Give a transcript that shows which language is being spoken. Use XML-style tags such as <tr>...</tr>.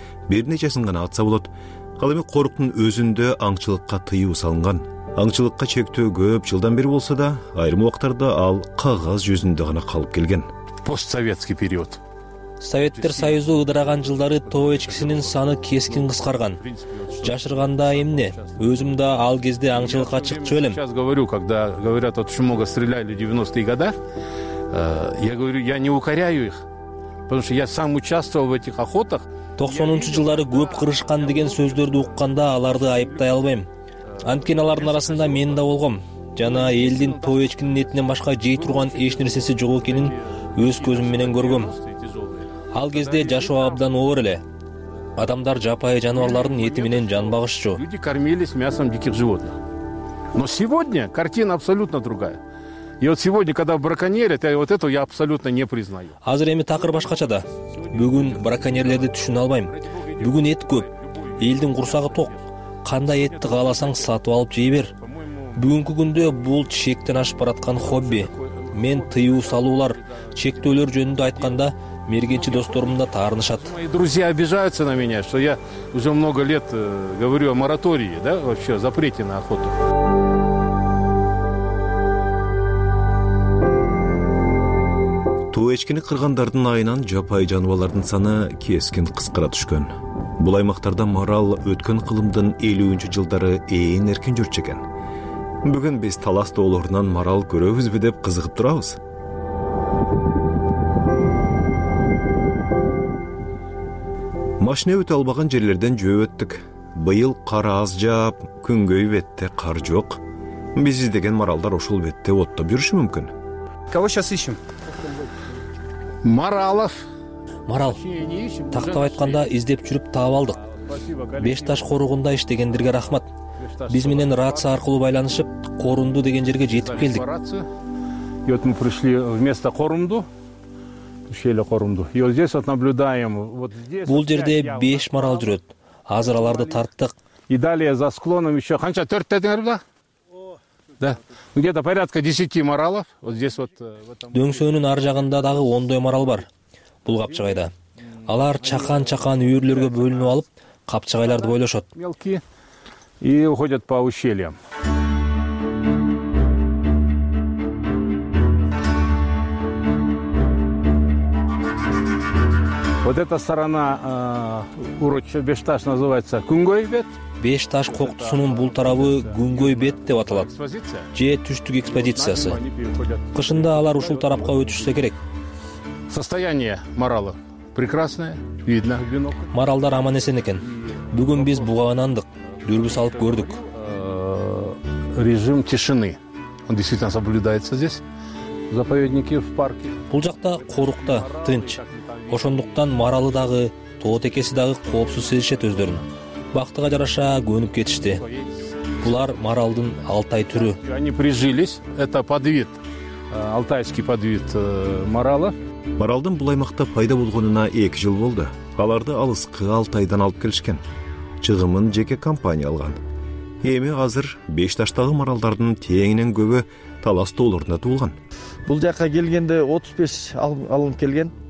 <ky>Бир нечесин гана атса болот. Ал эми коруктун өзүндө аңчылыкка тыюу салынган. Аңчылыкка чектөө көп жылдан бери болсо да, айрым убактарда ал кагаз жүзүндө гана калып келген.</ky> <ru>Постсоветский период.</ru> <ky>Советтер Союзу ыдыраган жылдары тоо эчкисинин саны кескин кыскарган. Жашырганда эмне? Өзүм да ал кезде аңчылыкка чыкчу элем.</ky> <ru>Сейчас говорю, когда говорят, вот очень много стреляли в 90-е годы, я говорю, я не укоряю их, потому что я сам участвовал в этих охотах.</ru> <ky>90-чу жылдары көп кырышкан деген сөздөрдү укканда аларды айыптай албайм. Анткени алардын арасында мен да болгом. Жана элдин тоо эчкинин этинен башка жей турган эч нерсеси жок экенин өз көзүм менен көргөм. Ал кезде жашоо абдан оор эле. Адамдар жапайы жаныбарлардын эти менен жан багышчу.</ky> <ru>Люди кормились мясом диких животных. Но сегодня картина абсолютно другая. И вот сегодня, когда браконьерят, вот это я абсолютно не признаю.</ru> <ky>Азыр эми такыр башкача да. Бүгүн браконьерлерди түшүнө албайм. Бүгүн эт көп. Элдин курсагы ток. Кандай этти кааласаң сатып алып жей бер. Бүгүнкү күндө бул чектен ашып бараткан хобби. Мен тыюу салуулар, чектөөлөр жөнүндө айтканда мергенчи досторумда таарынышат.</ky> <ru>Мои друзья обижаются на меня, что я уже много лет говорю о моратории, да, вообще запрете на охоту.</ru> <ky>Туу эчкини кыргандардын айынан жапайы жаныбарлардын саны кескин кыскара түшкөн. Бул аймактарда марал өткөн кылымдын 50-чү жылдары эң эркин жүрчү экен. Бүгүн биз Талас тоолорунан марал көрөбүзбү деп кызыгып турабыз. Машина өтө албаган жерлерден жөө өттүк. Быйыл кар аз жаап, күнгөй бетте кар жок. Биз издеген маралдар ошол бетте оттоп жүрүшү мүмкүн.</ky> <ru>Кого сейчас ищем? Маралов.</ru> <ky>Марал. Тактап айтканда издеп жүрүп таап алдык. Беш таш коругунда иштегендерге рахмат. Биз менен рация аркылуу байланышып, корунду деген жерге жетип келдик.</ky> <ru>И вот мы пришли вместо корунду. Шейле корунду. И вот здесь вот наблюдаем.</ru> <ky>Бул жерде 5 марал жүрөт. Азыр аларды тарттык.</ky> <ru>И далее за склоном еще</ru> <ky>канча 4 дедиңер да?</ky> <ru>Да. Где-то порядка 10 маралов. Вот здесь вот.</ru> <ky>Дөңсөөнүн ар жагында дагы 10 марал бар. Бул капчыгайда. Алар чакан-чакан үйүрлөргө бөлүнүп алып, капчыгайларды бойлошот.</ky> <ru>Мелкие. И уходят по ущельям. Вот эта сторона урочи Бешташ называется Күнгөй бет.</ru> <ky>Бешташ коктусунун бул тарабы Күнгөй бет деп аталат. Же түштүк экспедициясы. Кышында алар ушул тарапка өтүшсө керек.</ky> <ru>Состояние маралы прекрасное, видно в бинокль.</ru> <ky>Маралдар аман эсен экен. Бүгүн биз буга анандык, дүрбү салып көрдүк.</ky> <ru>Режим тишины. Он действительно соблюдается здесь. Заповедники в парке.</ru> <ky>Бул жакта корукта тынч. Ошондуктан маралы дагы, тоо текеси дагы коопсуз сезишет өздөрүн. Бактыга жараша көнүп кетишти. Булар маралдын Алтай түрү.</ky> <ru>Они прижились. Это подвид. Алтайский подвид маралы.</ru> <ky>Маралдын бул аймакта пайда болгонуна 2 жыл болду. Аларды алыскы Алтайдан алып келишкен. Чыгымын жеке компания алган. Эми азыр Бешташтагы маралдардын теңинен көбү Талас тоолорунда туулган. Бул жака келгенде 35 алынып келген.</ky>